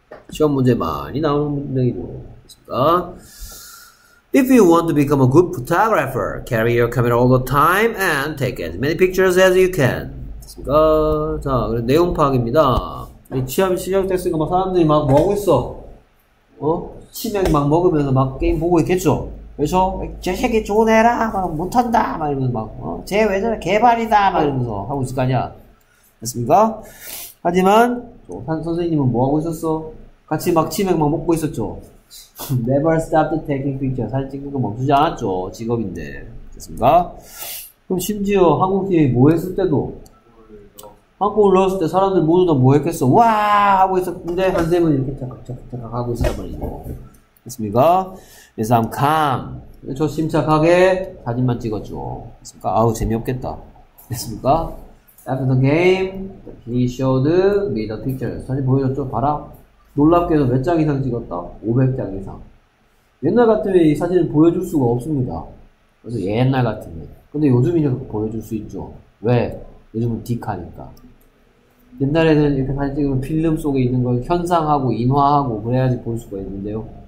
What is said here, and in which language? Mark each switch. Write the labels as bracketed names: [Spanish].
[Korean] 시험 문제 많이 나오는 문제이고. 됐습니다. [English] If you want to become a good photographer, carry your camera all the time and take as many pictures as you can. [Korean] 됐습니까? 자, 그럼 내용 파악입니다. 이 취업이 시작됐으니까 막 사람들이 막 뭐 하고 있어? 어? 치맥 막 먹으면서 막 게임 보고 있겠죠? 그래서 저 새끼 좋은 애라! 막 못한다! 막 이러면서 막, 어? 쟤 왜 저래? 개발이다! 막 이러면서 하고 있을 거 아니야. 됐습니까? 하지만, 선생님은 뭐 하고 있었어? 같이 막 치맥 막 먹고 있었죠? [English] Never stopped taking pictures. [Korean] 사진 찍는 거 멈추지 않았죠. 직업인데. 됐습니까? 그럼 심지어 한국팀이 뭐 했을 때도, 한국을 넣었을 때 사람들 모두 다 뭐 했겠어? 와! 하고 있었는데, 한쌤은 이렇게 착착착착 하고 있었단 말이죠. 됐습니까? 그래서 [English] I'm calm. [Korean] 저 침착하게 사진만 찍었죠. 됐습니까? 아우, 재미없겠다. 됐습니까? [English] After the game, he showed me the pictures. [Korean] 사진 보여줬죠? 봐라. 놀랍게도 몇 장 이상 찍었다? 500장 이상. 옛날 같으면 이 사진을 보여줄 수가 없습니다. 그래서 옛날 같으면. 근데 요즘이면 보여줄 수 있죠. 왜? 요즘은 디카니까. 옛날에는 이렇게 사진 찍으면 필름 속에 있는 걸 현상하고 인화하고 그래야지 볼 수가 있는데요.